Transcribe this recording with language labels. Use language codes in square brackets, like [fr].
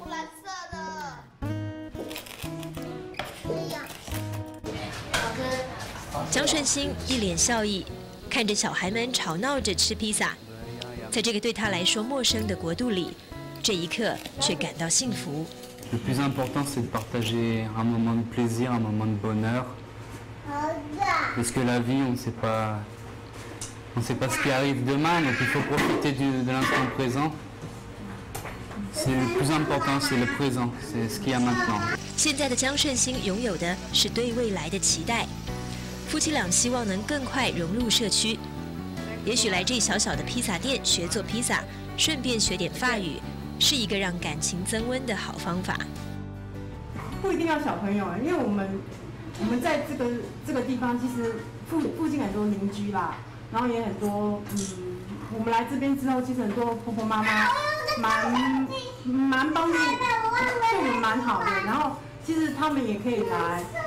[zh] 蓝色的。江顺兴一脸笑意，看着小孩们吵闹着吃披萨，在这个对他来说陌生的国度里，这一刻却感到幸福。 [fr] Le plus important, c'est de partager un moment de plaisir, un moment de bonheur. Parce que la vie, on ne sait pas ce qui arrive demain, donc il faut profiter de l'instant présent. C'est le plus important, c'est le présent, c'est ce qu'il y a maintenant. [zh] 现在的江顺兴拥有的是对未来的期待。夫妻俩希望能更快融入社区，也许来这小小的披萨店学做披萨，顺便学点法语，是一个让感情增温的好方法。不一定要小朋友，因为我们在这个地方，其实附近很多邻居啦，然后也很多我们来这边之后，其实很多婆婆妈妈蛮帮助，对我们蛮好的，然后其实他们也可以来。